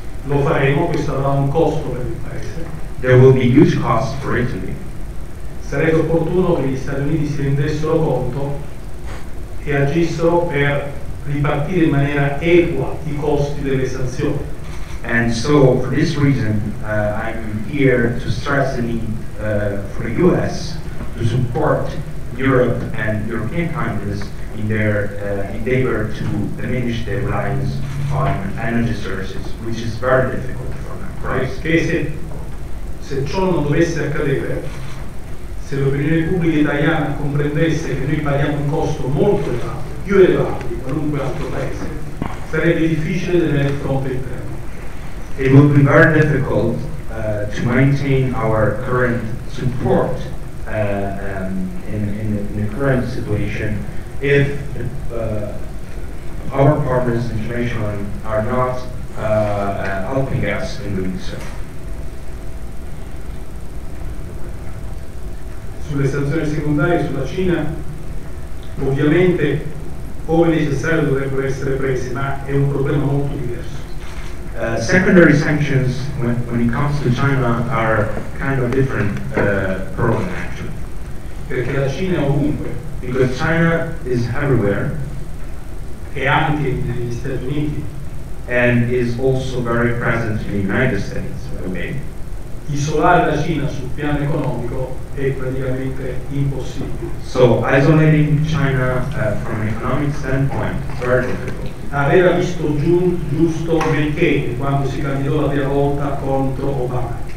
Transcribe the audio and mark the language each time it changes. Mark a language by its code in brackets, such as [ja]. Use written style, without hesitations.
[it] Lo faremo, questo avrà un costo per il paese. [en] There will be huge costs for Italy. [it] Sarebbe opportuno che gli Stati Uniti si rendessero conto che agiscono per ripartire in maniera equa i costi delle sanzioni. [en] And so for this reason I'm here to stress the need for the US to support Europe and European countries in their endeavor to diminish their reliance on energy sources, which is very difficult for them. Right? [it] Che se ciò non dovesse accadere, se l'opinione pubblica italiana comprendesse che noi paghiamo un costo molto elevato, più elevato di qualunque altro paese, sarebbe difficile tenere fronte al tema. [en] It would be very difficult to maintain our current support in the current situation if our partners internationally are not helping us in doing so. [it] Sulle sanzioni secondarie sulla Cina, ovviamente, ove necessario dovrebbero essere prese, ma è un problema molto diverso. [en] Secondary sanctions, when it comes to China, are kind of different problem actually. [it] Perché la Cina è ovunque. [en] Because China is everywhere. [it] E anche negli Stati Uniti. [en] And is also very present in the United States, okay. [it] Isolare la Cina sul piano economico è praticamente impossibile. [en] So isolating China from an economic standpoint is very difficult. [it] Aveva visto giusto McCain quando si candidò la prima volta contro Obama.